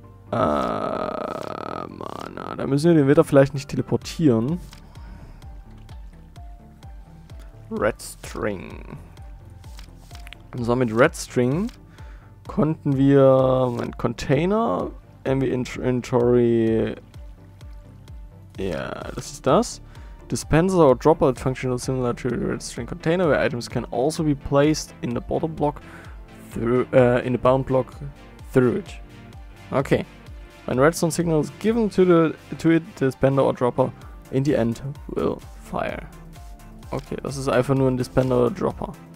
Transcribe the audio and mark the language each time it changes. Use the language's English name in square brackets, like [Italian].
[German] Da müssen wir den Wetter vielleicht nicht teleportieren. Red String. Und zwar mit Red String konnten wir einen Container irgendwie Inventory. Ja, das ist das. [English] Dispenser or Dropper functional similar to Red String Container, where items can also be placed in the bottom block through in the bound block through it. Okay. When redstone signal is given to it, the dispender or dropper in the end will fire. [German] Okay, das ist einfach nur ein Dispender oder Dropper.